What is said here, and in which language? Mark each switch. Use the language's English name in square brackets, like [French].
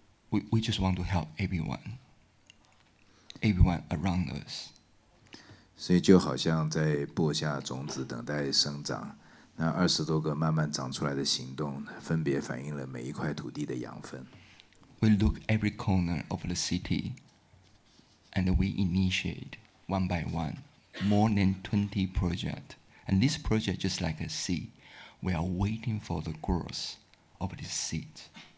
[English] We just want to help everyone around us. [Chinese] 所以就好像在播下种子等待生长。那20多个慢慢长出来的行动，分别反映了每一块土地的养分。 [English] We look every corner of the city, and we initiate one by one more than 20 projects. And this project, just like a seed, we are waiting for the growth of this seed.